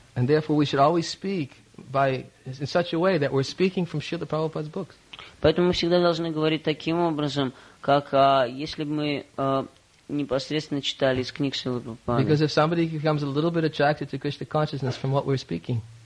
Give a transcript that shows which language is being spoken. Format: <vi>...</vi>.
<en>And therefore we should always speak by in such a way that we're speaking from Srila Prabhupada's books.</en> <ru>Поэтому мы всегда должны говорить таким образом, как если бы мы непосредственно читали из книг Шрилы Прабхупады.</ru> <en>Because if somebody becomes a little bit attracted to Krishna consciousness from what we're speaking.</en>